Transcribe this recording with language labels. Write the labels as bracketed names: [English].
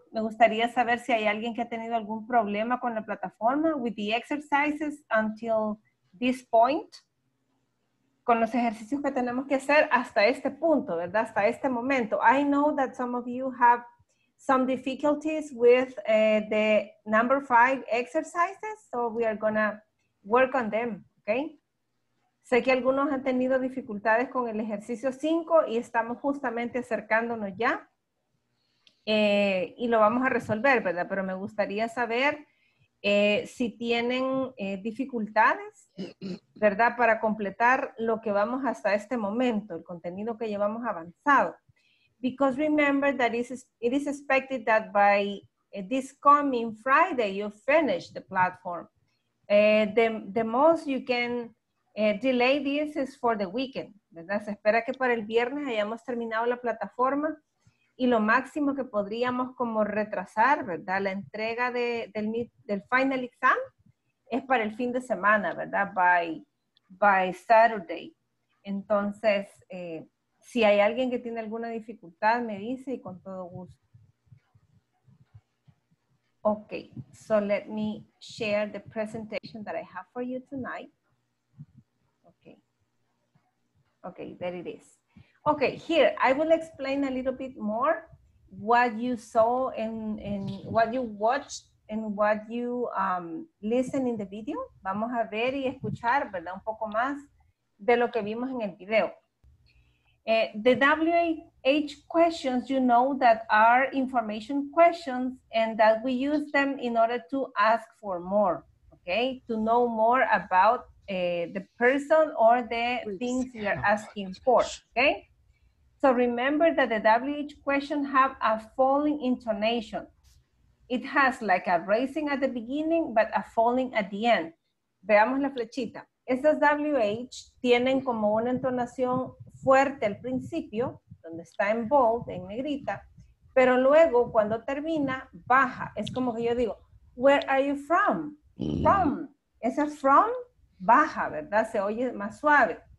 [Spanish] Me gustaría saber si hay alguien que ha tenido algún problema con la plataforma, [English] with the exercises until this point, [Spanish] con los ejercicios que tenemos que hacer hasta este punto, ¿verdad? Hasta este momento. [English] I know that some of you have some difficulties with the number 5 exercises, so we are gonna work on them, okay? [Spanish] Sé que algunos han tenido dificultades con el ejercicio 5 y estamos justamente acercándonos ya y lo vamos a resolver, ¿verdad? Pero me gustaría saber si tienen dificultades, ¿verdad? Para completar lo que vamos hasta este momento, el contenido que llevamos avanzado. [English] Because remember that it is expected that by this coming Friday, you finish the platform. The most you can delay this is for the weekend, ¿verdad? [Spanish] Se espera que para el viernes hayamos terminado la plataforma y lo máximo que podríamos como retrasar, ¿verdad? La entrega del final exam es para el fin de semana, ¿verdad? [English] By Saturday. [Spanish] Entonces, si hay alguien que tiene alguna dificultad, me dice y con todo gusto. [English] Okay, so let me share the presentation that I have for you tonight. Okay. Okay, there it is. Okay, here, I will explain a little bit more what you saw and what you watched and what you listened in the video. [Spanish] Vamos a ver y escuchar, ¿verdad? Un poco más de lo que vimos en el video. [English] The WH questions, you know, that are information questions and that we use them in order to ask for more, okay? To know more about the person or the things we are asking for, okay? So remember that the WH question have a falling intonation. It has like a raising at the beginning, but a falling at the end. [Spanish] Veamos la flechita. Esas WH tienen como una entonación fuerte al principio, donde está en bold, en negrita, pero luego cuando termina, baja. Es como que yo digo, [English] where are you from? From. [Spanish] Ese from baja, ¿verdad? Se oye más suave.